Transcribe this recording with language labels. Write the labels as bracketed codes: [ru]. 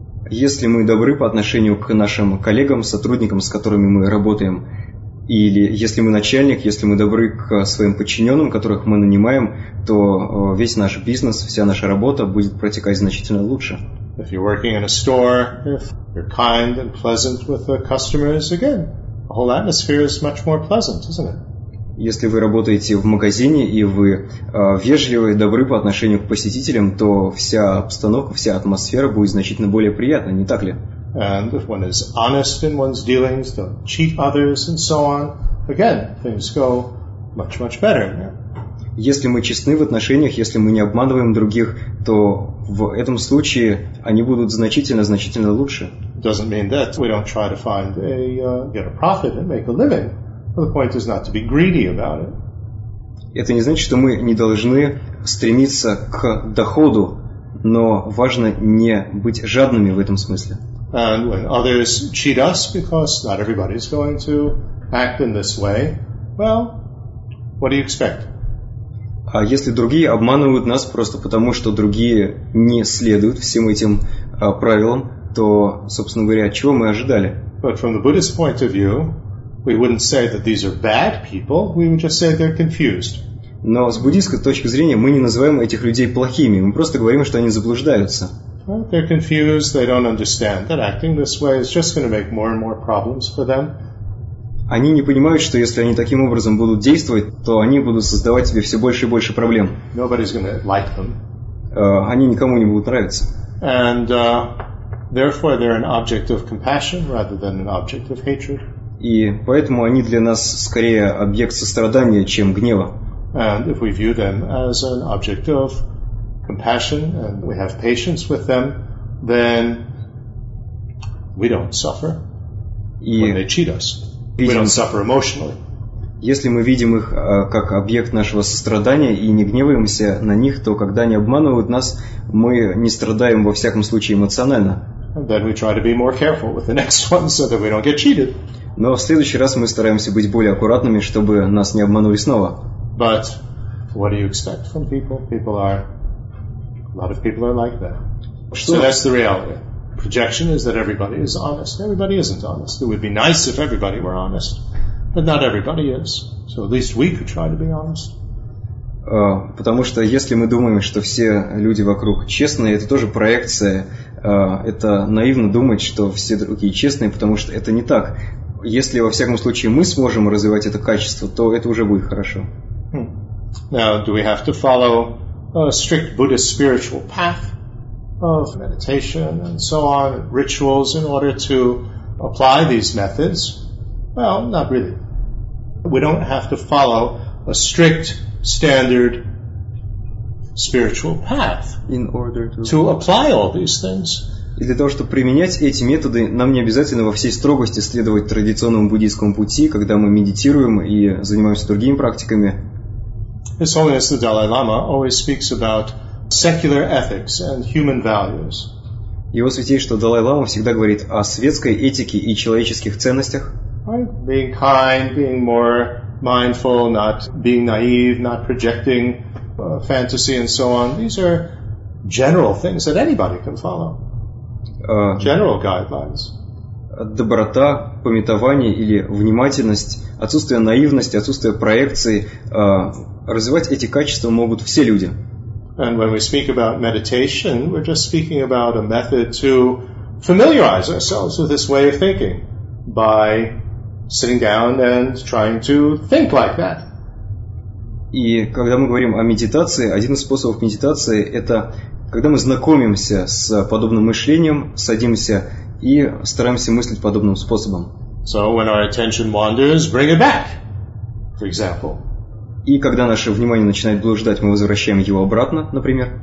[ru] Если мы добры по отношению к нашим коллегам, сотрудникам, с которыми мы работаем, или если мы начальник, если мы добры к своим подчиненным, которых мы нанимаем, то весь наш бизнес, вся наша работа будет протекать значительно лучше. [en] If you're working in a store, if you're kind and pleasant with the customers, again, the whole atmosphere is much more pleasant, isn't it? [ru] Если вы работаете в магазине и вы вежливы и добры по отношению к посетителям, то вся обстановка, вся атмосфера будет значительно более приятна, не так ли? [en] And if one is honest in one's dealings, don't cheat others and so on, again, things go much, much better. [ru] Если мы честны в отношениях, если мы не обманываем других, то в этом случае они будут значительно лучше. [en] Doesn't mean that we don't try to find a get a profit and make a living. The point is not to be greedy about it. [ru] Это не значит, что мы не должны стремиться к доходу, но важно не быть жадными в этом смысле. [en] And when others cheat us because not everybody's going to act in this way, well, what do you expect? [ru] А если другие обманывают нас просто потому, что другие не следуют всем этим правилам, то, собственно говоря, чего мы ожидали? [en] But from the Buddhist point of view, we wouldn't say that these are bad people, we would just say they're confused. [ru] Но с буддийской точки зрения мы не называем этих людей плохими, мы просто говорим, что они заблуждаются. [en] They're confused, they don't understand that acting this way is just going to make more and more problems for them. [ru] Они не понимают, что если они таким образом будут действовать, то они будут создавать себе все больше и больше проблем. [en] Nobody's going to like them. [ru] Они никому не будут нравиться. [en] And therefore they're an object of compassion rather than an object of hatred. [ru] И поэтому они для нас скорее объект сострадания, чем гнева. [en] And if we view them as an object of compassion and we have patience with them, then we don't suffer when they cheat us. We don't suffer emotionally. [ru] Если мы видим их как объект нашего сострадания и не гневаемся на них, то когда они обманывают нас, мы не страдаем во всяком случае эмоционально. [en] And then we try to be more careful with the next one so that we don't get cheated. [ru] Но в следующий раз мы стараемся быть более аккуратными, чтобы нас не обманули снова. [en] But what do you expect from people? A lot of people are like that. [ru] Что? [en] So that's the reality. Projection is that everybody is honest. Everybody isn't honest. It would be nice if everybody were honest. But not everybody is. So at least we could try to be honest. [ru] Потому что если мы думаем, что все люди вокруг честные, это тоже проекция. Это наивно думать, что все другие честные, потому что это не так. Если, во всяком случае, мы сможем развивать это качество, то это уже будет хорошо. [en] Now, do we have to follow a strict Buddhist spiritual path of meditation and so on, rituals, in order to apply these methods? Well, not really. We don't have to follow a strict standard spiritual path in order to apply all these things. [ru] И для того, чтобы применять эти методы, нам не обязательно во всей строгости следовать традиционному буддийскому пути, когда мы медитируем и занимаемся другими практиками. [en] His Holiness the Dalai Lama always speaks about secular ethics and human values. [ru] Его святейшество Далай Лама всегда говорит о светской этике и человеческих ценностях. [en] Right? Being kind, being more mindful, not being naive, not projecting fantasy and so on. These are general things that anybody can follow. General guidelines. [ru] Доброта, памятование или внимательность, отсутствие наивности, отсутствие проекции. Развивать эти качества могут все люди. [en] And when we speak about meditation, we're just speaking about a method to familiarize ourselves with this way of thinking by sitting down and trying to think like that. [ru] И когда мы говорим о медитации, один из способов медитации – это когда мы знакомимся с подобным мышлением, садимся и стараемся мыслить подобным способом. [en] So when our attention wanders, bring it back, for example. [ru] И когда наше внимание начинает блуждать, мы возвращаем его обратно, например.